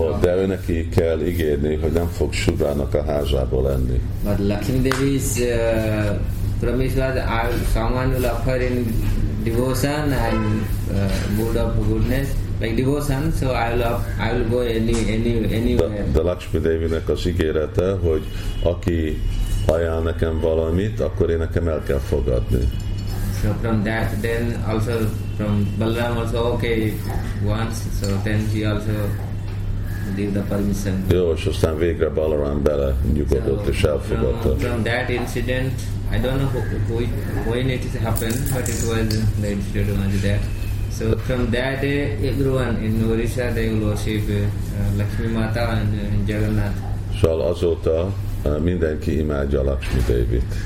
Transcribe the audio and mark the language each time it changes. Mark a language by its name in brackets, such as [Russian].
[Hungarian] Oh, de ő neki kell ígérni, hogy nem fog Sudrának a házából enni. [English] But Lakshmi Devi's promise was, someone will offer in devotion and mood of goodness. Like devotion, so I will go anywhere. [Hungarian] De Lakshmi Devinek az ígérete, hogy aki ajánl nekem valamit, akkor én nekem el kell fogadni. [English] So from that, then also from Balaram also okay once, so then he also give the permission. [Hungarian] Jó, és aztán végre Balaram bele nyugodott és elfogadta. [English] From that incident, I don't know when it happened, but it was the incident was that. So from that day, everyone in Orissa, they will worship Lakshmi Mata and Jagannath. [Hungarian] So azóta mindenki imádja Lakshmi Devit.